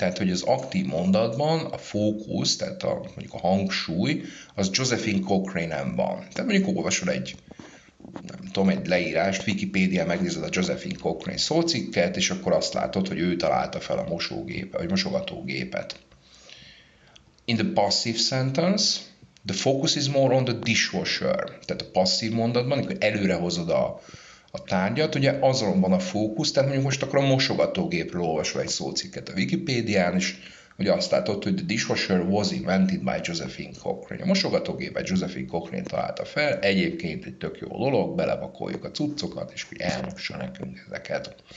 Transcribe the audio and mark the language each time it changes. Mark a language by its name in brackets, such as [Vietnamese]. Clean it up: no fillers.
[Hungarian] Tehát, hogy az aktív mondatban a fókusz, tehát a, mondjuk a hangsúly, az Josephine Cochrane-en van. Tehát mondjuk olvasol egy, nem tudom, egy leírást, Wikipédia, megnézed a Josephine Cochrane szócikket, és akkor azt látod, hogy ő találta fel a mosógépet, vagy mosogatógépet. [English] In the passive sentence, the focus is more on the dishwasher. [Hungarian] Tehát a passzív mondatban, amikor előre hozod a tárgyat, ugye azon van a fókusz, tehát mondjuk most akkor a mosogatógépről olvasol egy szócikket a Wikipédián, és ugye azt látod, hogy [English] the dishwasher was invented by Josephine Cochrane. [Hungarian] A mosogatógépet Josephine Cochrane találta fel, egyébként egy tök jó dolog, belevakoljuk a cuccokat, és hogy elmossa nekünk ezeket.